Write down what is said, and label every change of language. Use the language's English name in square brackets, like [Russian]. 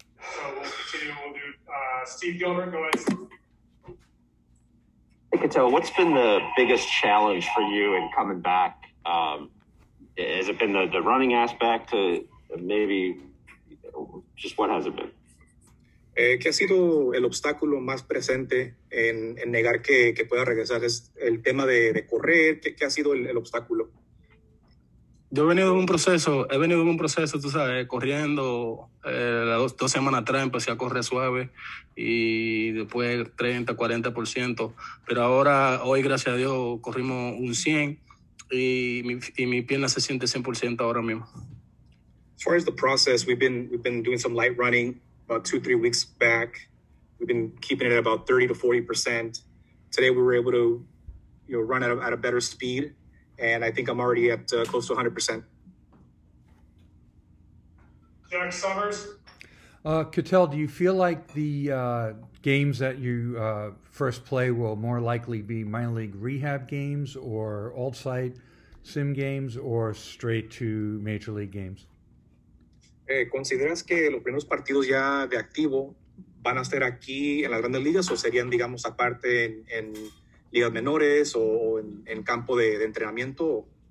[English] So we'll continue. We'll do Steve Gilbert. Go ahead, Steve. Hey, Cattell, what's been the biggest challenge for you in coming back? Has it been the running aspect to maybe just what has it been? [Spanish] ¿Qué ha sido el obstáculo más presente en negar que pueda regresar? ¿Es el tema de correr? ¿Qué ha sido el obstáculo? Yo he venido en un proceso, tú sabes, corriendo. Dos semanas atrás empecé a correr suave y después 30-40%. Pero ahora, hoy, gracias a Dios, corrimos un 100 y mi pierna se siente 100% ahora mismo. [English] As far as the process, we've been doing some light running. About 2-3 weeks back, we've been keeping it at about 30-40%. Today we were able to, you know, run at a better speed, and I think I'm already at close to 100%. Jack Summers. Cattell, do you feel like the games that you first play will more likely be minor league rehab games or alt site sim games or straight to major league games? [Spanish] ¿Consideras que los primeros partidos ya de activo van a ser aquí en las grandes ligas o serían, digamos, aparte en ligas menores o en campo de entrenamiento?